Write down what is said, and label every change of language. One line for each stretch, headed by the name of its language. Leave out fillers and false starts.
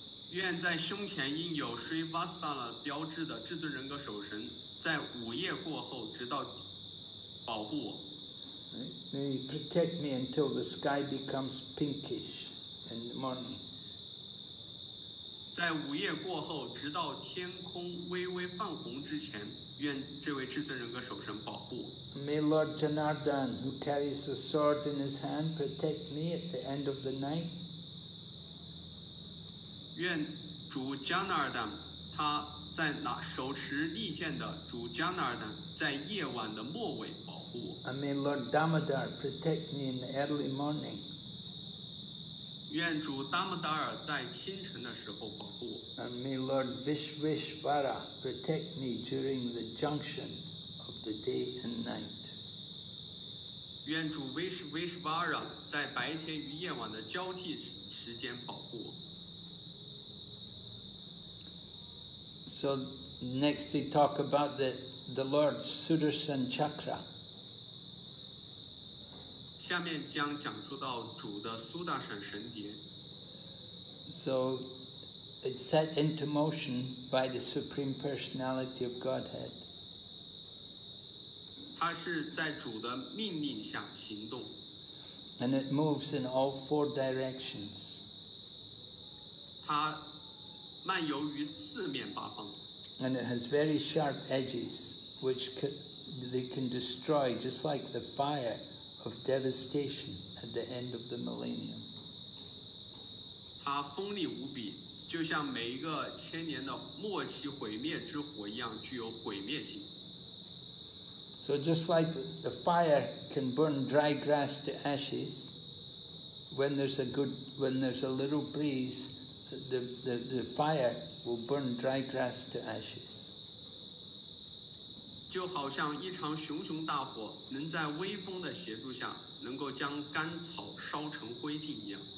Chinese: 愿在胸前印有 Sri Vatsa 标志的至尊人格守神，在午夜过后直到保护我。
English: May he protect me until the sky becomes pinkish in the morning.
Chinese: 在午夜过后，直到天空微微泛红之前，愿这位至尊人格守神保护。
English: May Lord Janardan, who carries a sword in his hand, protect me at the end of the night.
Chinese: 愿主 Janardan, 他在那手持利剑的主 Janardan, 在夜晚的末尾保护。
English: And may Lord Damodar protect me in the early morning.
Chinese: 愿主达摩达尔在清晨的时候保护我。
English: And may Lord Vishveshvara protect me during the junction of the day and night.
Chinese: 愿主 Vishveshvara 在白天与夜晚的交替时间保护我。
English: So next they talk about the Lord Sudarshan Chakra.
Chinese: 下面将讲述到主的苏大闪神碟。
English: So, it's set into motion by the Supreme Personality of Godhead.
Chinese: 它是在主的命令下行动。
English: And it moves in all four directions.
Chinese: 它漫游于四面八方。
English: And it has very sharp edges, which they can destroy, just like the fire. Of devastation at the end of the millennium.
Chinese: 它锋利无比，就像每一个千年的末期毁灭之火一样，具有毁灭性。
English: So just like the fire can burn dry grass to ashes, when there's a little breeze, the fire will burn dry grass to ashes.
Chinese: 就好像一场熊熊大火能在微风的协助下能够将干草烧成灰烬一样。